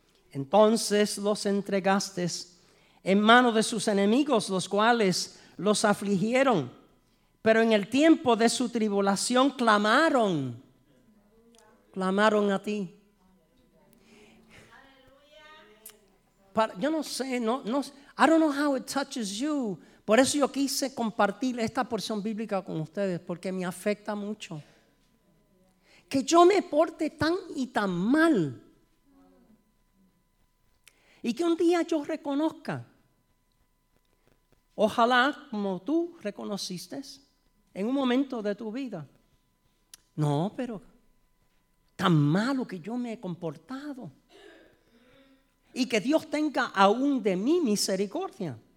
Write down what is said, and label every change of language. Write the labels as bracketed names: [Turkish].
[Spanish] Entonces los entregaste en mano de sus enemigos, los cuales los afligieron, pero en el tiempo de su tribulación clamaron a ti. Yo no sé, no, [English] I don't know how it touches you. [Spanish] Por eso yo quise compartir esta porción bíblica con ustedes, porque me afecta mucho. Que yo me porte tan y tan mal, y que un día yo reconozca, ojalá como tú reconociste en un momento de tu vida, no, pero tan malo que yo me he comportado, y que Dios tenga aún de mí misericordia.